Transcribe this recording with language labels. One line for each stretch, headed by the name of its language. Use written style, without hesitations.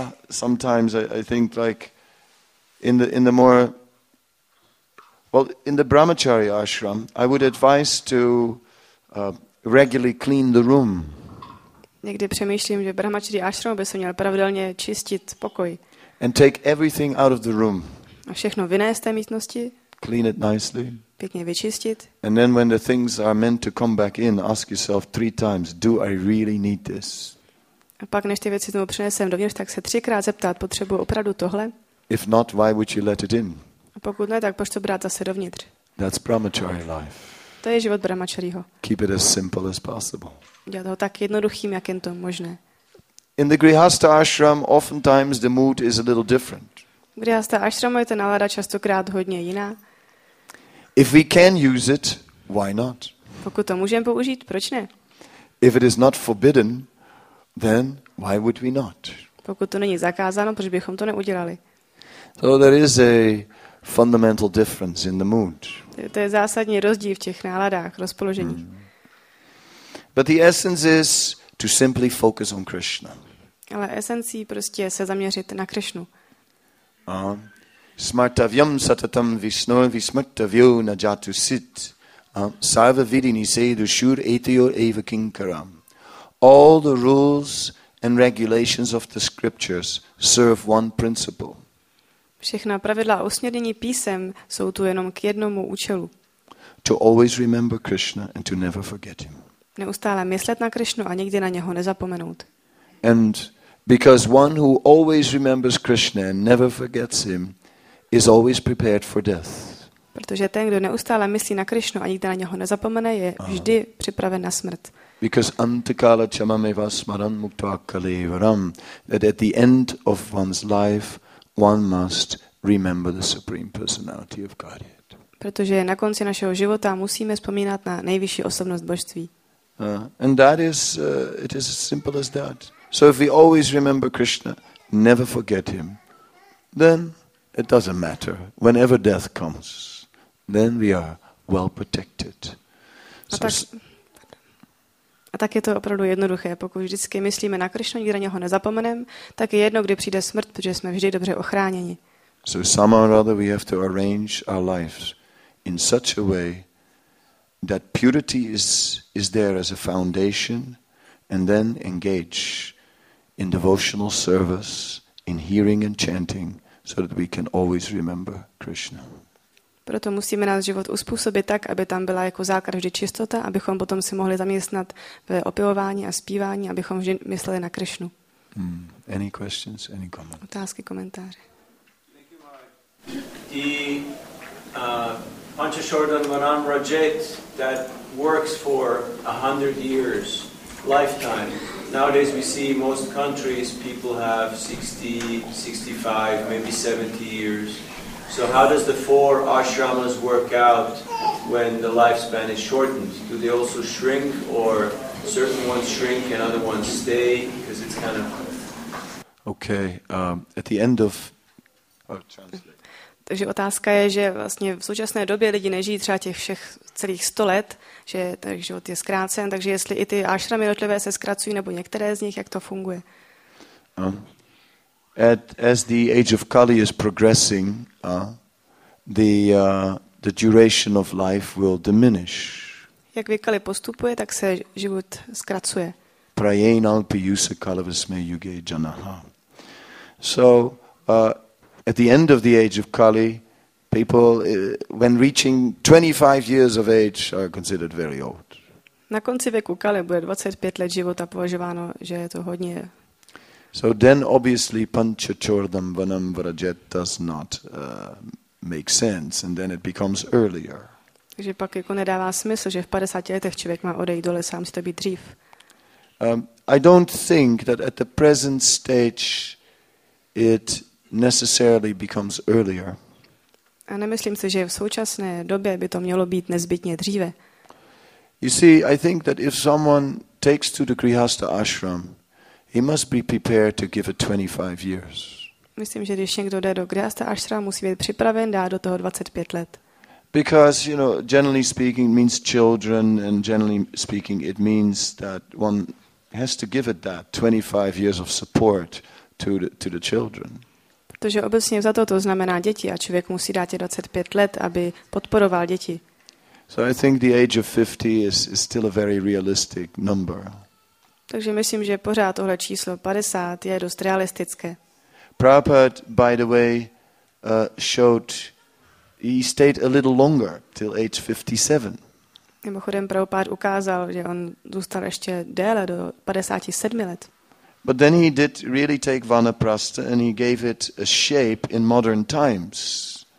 English: Sometimes I think like in the more well in the brahmachari ashram, I would advise to regularly clean the room.
Czech: Někdy přemýšlím, že brahmachari ashram by se měl pravidelně čistit pokoj.
English: And take everything out of the room.
Czech: A všechno vynést z té místnosti.
English: Clean it nicely.
Czech: Pěkně vyčistit.
English: And then when the things are meant to come back in, ask yourself 3 times, do I really need this?
Czech: A pak než ty věci znovu přinesem dovnitř, tak se 3krát zeptat, potřebuji opravdu tohle?
English: If not, why would you let it in?
Czech: A pokud ne, tak proč to brát zase dovnitř?
English: That's brahmachari life.
Czech: To je život brahmacharího.
English: Keep it as simple as possible.
Czech: Dělat ho tak jednoduchým, jak jen to možné.
English: In the grihastha ashram, oftentimes the mood is a little different.
Czech: Grihastha ashramu je ta nálada častokrát hodně jiná.
English: If we can use it, why not?
Czech: Pokud to můžeme použít, proč ne?
English: If it is not forbidden, then why would we not?
Czech: Pokud to není zakázáno, proč bychom to neudělali?
English: So there is a fundamental difference in the mood.
Czech: To je zásadní rozdíl v těch náladách, rozpoložení. Mm.
English: But the essence is to simply focus on Krishna.
Czech: Ale esencí prostě se zaměřit na Krishnu.
Sanskrit: Smartavyam satatam visnoyam vismartavyo na jatu sit. Sarva vidini sedu shur etiyor eva kinkaram.
English: All the rules and regulations of the scriptures serve one principle.
Czech: Všechna pravidla a usměrnění písem jsou tu jenom k jednomu účelu.
English: To always remember Krishna and to never forget him.
Czech: Neustále myslet na Krishnu a nikdy na něho nezapomenout.
English: And because one who always remembers Krishna and never forgets him is always prepared for death.
Czech: Protože ten, kdo neustále myslí na Krishnu a nikdy na něho nezapomene, je vždy připraven na smrt.
English: Because
Sanskrit: antakala chamameva smaran muktva kalevaram,
English: that at the end of one's life one must remember the supreme personality of Godhead.
Czech: Protože na konci našeho života musíme vzpomínat na nejvyšší osobnost božství.
English: And that is it is as simple as that. So if we always remember Krishna, never forget him, then it doesn't matter. Whenever death comes, then we are well protected.
Czech: A tak je to opravdu jednoduché. Pokud vždycky myslíme na Krishnu, nikdy na něho nezapomeneme, tak je jedno, kdy přijde smrt, protože jsme vždy dobře ochráněni.
English: So somehow or other we have to arrange our lives in such a way that purity is there as a foundation and then engage in devotional service, in hearing and chanting, so that we can always remember Krishna.
Czech: Proto musíme náš život uspůsobit tak, aby tam byla jako základ vždy čistota, abychom potom si mohli zaměstnat ve opilování a zpívání, abychom vždy mysleli na Krishnu.
English: Any questions, any comments?
Czech: Otázky, komentáře.
English: The
Sanskrit: Panchashordan Varan Rajet
English: that works for 100 years lifetime. Nowadays we see most countries people have 60, 65, maybe 70 years. So how does the four ashramas work out when the lifespan is shortened? Do they also shrink, or certain ones shrink and other ones stay? Because it's kind of... Okay, at the end of...
Czech: Takže otázka je, že vlastně v současné době lidi nežijí třeba těch všech celých 100 let, že ten život je zkrácen, takže jestli i ty ashramy jednotlivé se zkracují, nebo některé z nich, jak to funguje?
English: As the age of Kali is progressing, the duration of life will diminish.
Czech: Jak věk Kali postupuje, tak se život zkracuje.
Sanskrit: Prayen alpi yusa kalavasme yuge janaha.
English: So, at the end of the age of Kali, people, when reaching 25 years of age, are considered very old.
Czech: Na konci věku Kali bude 25 let života považováno, že je to hodně.
English: So then obviously
Sanskrit: panchachordam vanam vrajet
English: does not make sense, and then it becomes earlier.
Czech: Takže pak jako nedává smysl, že v 50 letech člověk má odejít do lesa, musí to být dřív.
English: I don't think that at the present stage it necessarily becomes earlier.
Czech: A nemyslím si, že v současné době by to mělo být nezbytně dříve.
English: You see, I think that if someone takes to the Grihastha ashram, he must be prepared to give it 25 years.
Czech: Myslím, že když někdo jde do Grihastha ashram, musí být připraven dát do toho 25 let.
English: Because, you know, generally speaking, it means children, and generally speaking, it means that one has to give it that 25 years of support to the children.
Czech: Protože obecně za to znamená děti a člověk musí dát 25 let, aby podporoval děti.
English: So I think the age of 50 is still a very realistic number.
Czech: Takže myslím, že pořád tohle číslo 50 je dost realistické.
English: Prabhupada, by the way, showed he stayed a little longer till age 57.
Czech: Mimochodem, Prabhupada ukázal, že on zůstal ještě déle do 57 let.
English: But then he did really take vanaprastha and he gave it a shape in modern times.